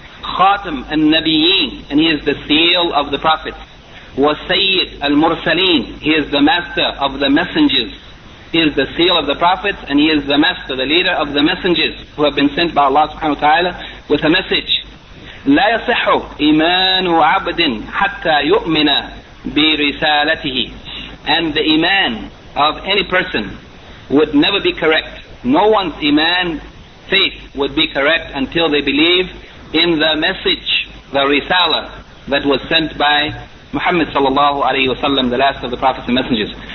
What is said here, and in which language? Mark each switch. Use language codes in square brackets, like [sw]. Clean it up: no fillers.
[en] Khatam al-Nabiyyin, and he is the seal of the prophets. Wa Sayyid al-Mursaleen, he is the master of the messengers. He is the seal of the prophets, and he is the master, the leader of the messengers who have been sent by Allah subhanahu wa ta'ala with a message. [ar] لا يصح إيمان عبد حتى يؤمن برسالته. [en] And the iman of any person would never be correct. No one's iman, faith, would be correct until they believe in the message, the risala that was sent by Muhammad sallallahu alayhi wa sallam, the last of the prophets and messengers.